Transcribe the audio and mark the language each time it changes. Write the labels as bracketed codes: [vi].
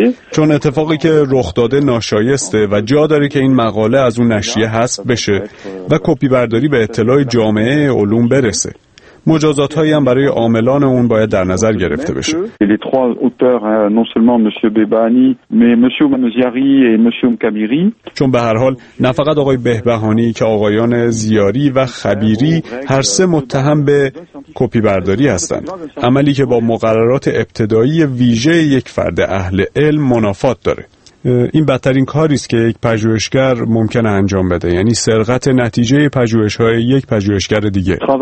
[fa] چون اتفاقی که رخ داده ناشایسته و جا داره که این مقاله از اون نشریه حذف بشه و کپی برداری به اطلاع جامعه علوم برسه. مجازات هایی هم برای عاملان اون باید در نظر گرفته بشه. [fr] Les trois auteurs non seulement monsieur Behbahani mais monsieur Manziari et monsieur Kabiri. [fa] چون به هر حال نه فقط آقای بهبهانی که آقایان زیاری و خبیری هر سه متهم به کپی برداری هستند. عملی که با مقررات ابتدایی ویژه یک فرد اهل علم منافات داره. این بدترین کاری است که یک پژوهشگر ممکنه انجام بده، یعنی سرقت نتیجه پژوهش‌های یک پژوهشگر دیگه.